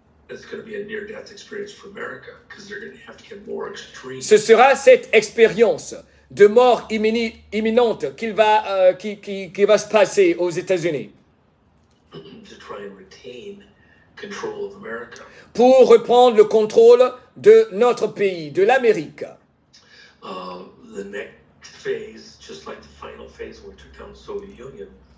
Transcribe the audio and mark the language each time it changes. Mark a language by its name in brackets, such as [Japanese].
[English] It's going to be a near-death experience for America because they're going to have to get more extreme. [French] Ce sera cette expérience de mort imminente qui va se passer aux États-Unis. [English] To try and retain control of America. [French] Pour reprendre le contrôle de notre pays, de l'Amérique. [English] The next phase, just like the final phase when we took down the Soviet Union.